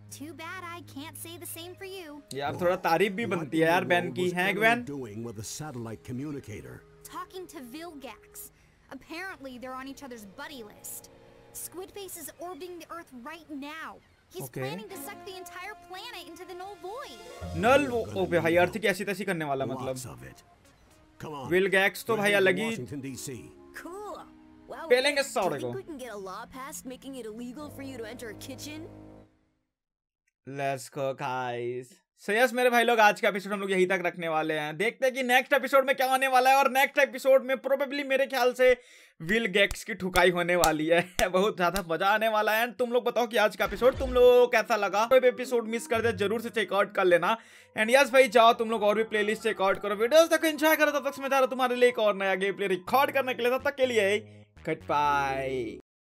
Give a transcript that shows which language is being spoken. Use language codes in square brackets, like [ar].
[en] Too bad I can't say the same for you. [hi] यार थोड़ा तारीफ भी बनती है यार बेन की, हैं Gwen? [en] Doing with a satellite communicator. Talking to Vilgax. Apparently they're on each other's buddy list. Squidface is orbiting the Earth right now. He's planning to suck the entire planet into the null void. Null? [hi] Okay भाई अर्थ की ऐसी तैसी करने वाला मतलब? Vilgax तो भाई अलग ही। [en] Cool. [hi] पहलेंगे सौड़े को। [en] Do you think we can get a law passed making it illegal for you to enter a kitchen? Let's go, guys. So yes, [hi] मेरे भाई लोग आज का एपिसोड हम लोग यहीं तक रखने वाले हैं। देखते हैं कि नेक्स्ट एपिसोड में क्या होने वाला है और नेक्स्ट एपिसोड में प्रोबेबली मेरे ख्याल से विल गेट्स की ठुकाई होने वाली है। बहुत ज्यादा मजा आने वाला है। एंड तुम लोग बताओ कि आज का एपिसोड तुम लोगों को कैसा लगा। कोई भी एपिसोड मिस कर दे जरूर से चेकआउट कर लेना। एंड यस भाई जाओ तुम लोग और भी प्लेलिस्ट चेकआउट करो, वीडियोस तक एंजॉय करो। तब तक मैं जा रहा हूं तुम्हारे लिए एक और नया गेम प्ले रिकॉर्ड करने के लिए। तब तक के लिए गुड बाय।